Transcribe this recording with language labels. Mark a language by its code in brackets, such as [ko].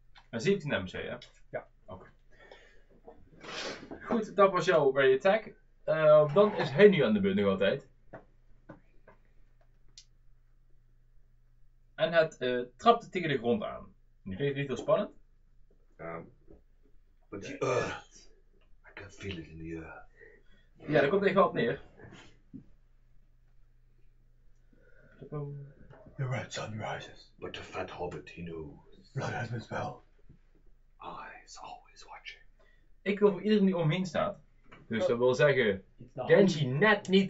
[nl] En 17 damage, hè? Ja. Oké. Goed, dat was jouw ready attack. Dan is hij nu aan de beurt nog altijd. En het trapte tegen de grond aan. Nu vind je het niet heel spannend? Ja. [en] But the earth. I can feel it in the earth. [nl] Ja, daar komt even wat neer. [en] The red sun rises. But the fat hobbit, he knows. Blood has been spelled. Eyes always watching. [nl] Ik wil voor iedereen die om me heen staat. Dus dat wil zeggen, Genji net niet.